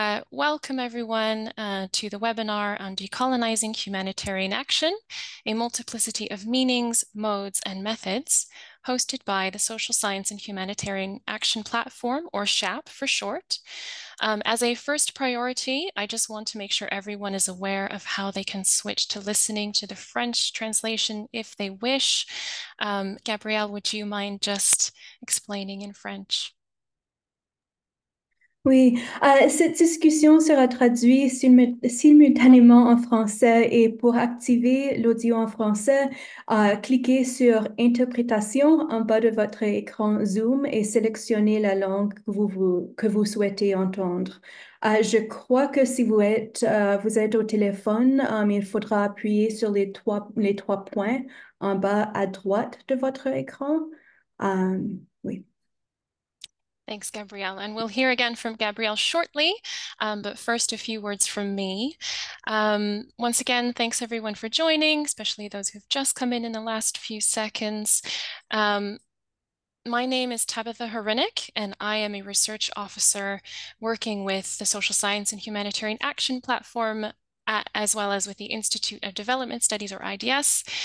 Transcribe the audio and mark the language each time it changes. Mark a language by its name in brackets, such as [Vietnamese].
[English] Welcome everyone to the webinar on Decolonising Humanitarian Action, a multiplicity of meanings, modes, and methods, hosted by the Social Science and Humanitarian Action Platform, or SHAP for short. As a first priority, I just want to make sure everyone is aware of how they can switch to listening to the French translation if they wish. Gabrielle, would you mind just explaining in French? [French] Oui, cette discussion sera traduite simultanément en français et pour activer l'audio en français, cliquez sur Interprétation en bas de votre écran Zoom et sélectionnez la langue que vous souhaitez entendre. Je crois que si vous êtes au téléphone, il faudra appuyer sur les trois points en bas à droite de votre écran. Oui. [English] Thanks, Gabrielle. And we'll hear again from Gabrielle shortly, but first a few words from me. Once again, thanks everyone for joining, especially those who've just come in the last few seconds. My name is Tabitha Horinick, and I am a research officer working with the Social Science and Humanitarian Action Platform, as well as with the Institute of Development Studies, or IDS.